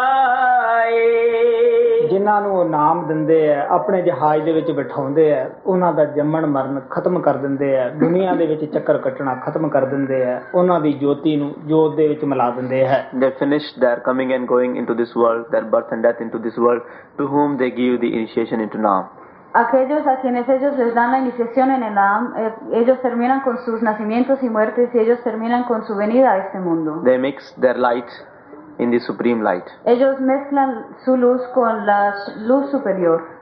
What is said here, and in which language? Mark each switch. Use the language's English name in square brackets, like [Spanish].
[Punjabi] ਜਿਹਨਾਂ ਨੂੰ ਉਹ ਨਾਮ ਦਿੰਦੇ ਹੈ, ਆਪਣੇ ਜਹਾਜ਼ ਦੇ ਵਿੱਚ ਬਿਠਾਉਂਦੇ ਹੈ, ਉਹਨਾਂ ਦਾ ਜੰਮਣ ਮਰਨ ਖਤਮ ਕਰ ਦਿੰਦੇ ਹੈ, ਦੁਨੀਆਂ ਦੇ ਵਿੱਚ ਚੱਕਰ ਕੱਟਣਾ ਖਤਮ ਕਰ ਦਿੰਦੇ ਹੈ, ਉਹਨਾਂ ਦੀ ਜੋਤੀ ਨੂੰ ਜੋਤ ਦੇ ਵਿੱਚ ਮਿਲਾ ਦਿੰਦੇ ਹੈ। [English] They finish their coming and going into this world, their birth and death into this world, to whom they give the initiation into Naam. [Spanish] Aquellos a quienes ellos les dan la iniciación en el Naam, ellos terminan con sus nacimientos y muertes y ellos terminan con su venida a este mundo. [English] They mix their light in the supreme light. [Spanish] Ellos mezclan su luz con la luz superior.